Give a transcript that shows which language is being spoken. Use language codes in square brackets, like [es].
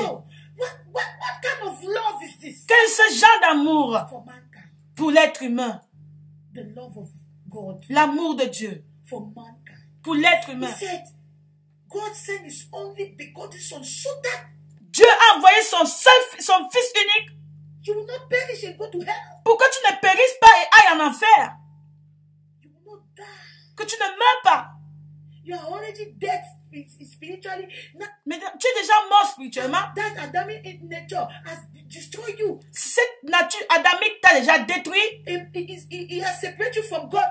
[en] Oh, what kind of love is this? [fr] Quel ce genre d'amour [en] for mankind. [fr] Pour l'être humain. [en] The love of God. [fr] L'amour de Dieu [en] for mankind. [fr] Pour l'être humain. [en] He said, God sent His only begotten Son, so that [fr] Dieu a envoyé son Fils unique. [en] You will not perish and go to hell. [fr] Pourquoi tu ne périsses pas et ailles en enfer? Que tu ne meurs pas. [en] You are already dead spiritually. [fr] Mais tu es déjà mort spirituellement. [en] That Adamic nature has destroyed you. [fr] Cette nature adamique t'a déjà détruit. [en] It has separated you from God.